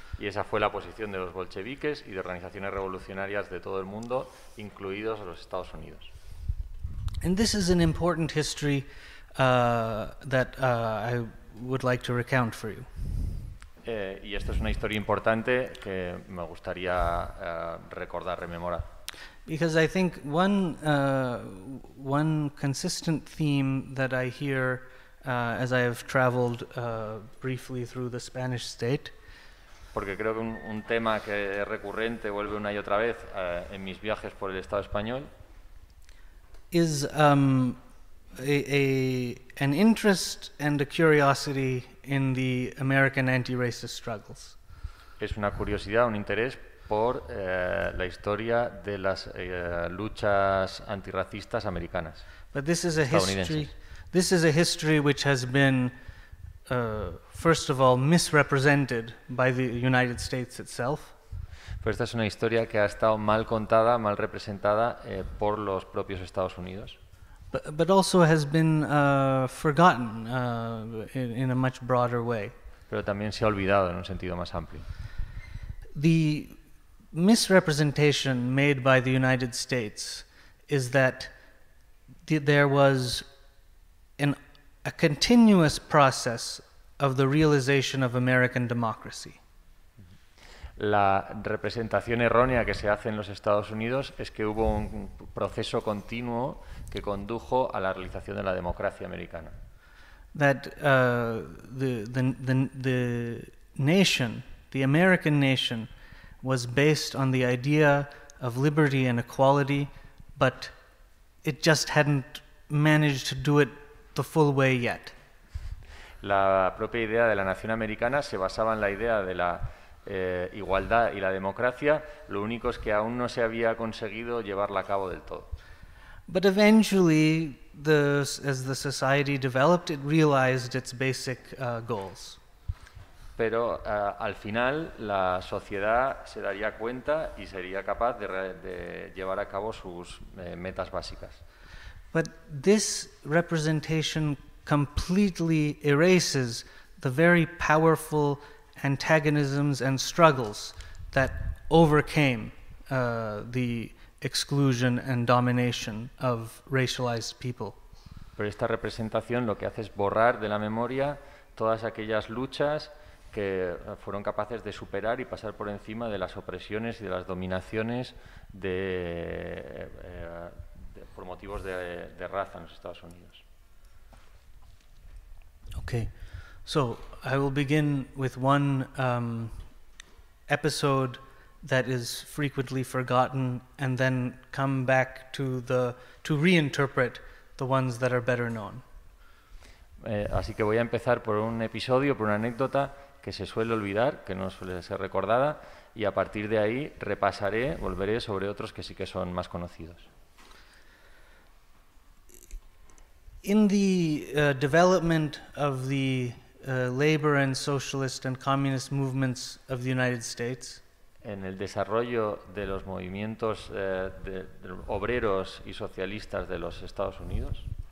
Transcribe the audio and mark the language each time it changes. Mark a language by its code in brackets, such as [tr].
[es] Y esa fue la posición de los bolcheviques y de organizaciones revolucionarias de todo el mundo, incluidos los Estados Unidos. [en] And this is an important history that I would like to recount for you. [es] Y esto es una historia importante que me gustaría recordar, rememorar. [en] Because I think one consistent theme that I hear as I have traveled briefly through the Spanish state. [es] Porque creo que un tema que es recurrente, vuelve una y otra vez en mis viajes por el Estado español, [en] is an interest and a curiosity in the American anti-racist struggles. [es] Es una curiosidad, un interés por la historia de las luchas antirracistas americanas. [en] But this is a history. This is a history which has been, first of all, misrepresented by the United States itself. [es] Pero esta es una historia que ha estado mal contada, mal representada por los propios Estados Unidos. [en] But also has been forgotten in a much broader way. [es] Pero también se ha olvidado en un sentido más amplio. [en] The misrepresentation made by the United States is that there was a continuous process of the realization of American democracy. [es] La representación errónea que se hace en los Estados Unidos es que hubo un proceso continuo que condujo a la realización de la democracia americana. [en] That the nation, the American nation, was based on the idea of liberty and equality, but it just hadn't managed to do it the full way yet. [es] La propia idea de la nación americana se basaba en la idea de la igualdad y la democracia, lo único es que aún no se había conseguido llevarla a cabo del todo. [en] But eventually, as the society developed, it realized its basic goals. [es] Pero al final, la sociedad se daría cuenta y sería capaz de llevar a cabo sus metas básicas. [en] But this representation completely erases the very powerful antagonisms and struggles that overcame the exclusion and domination of racialized people. [es] Pero esta representación lo que hace es borrar de la memoria todas aquellas luchas que fueron capaces de superar y pasar por encima de las opresiones y de las dominaciones de por motivos de raza en los Estados Unidos. [en] Okay. So, I will begin with one episode that is frequently forgotten and then come back to reinterpret the ones that are better known. [es] Así que voy a empezar por un episodio, por una anécdota que se suele olvidar, que no suele ser recordada, y a partir de ahí repasaré, volveré sobre otros que sí que son más conocidos. [en] In the development of the labor and socialist and communist movements of the United States, [es] en el desarrollo de los movimientos de obreros y socialistas de los Estados Unidos,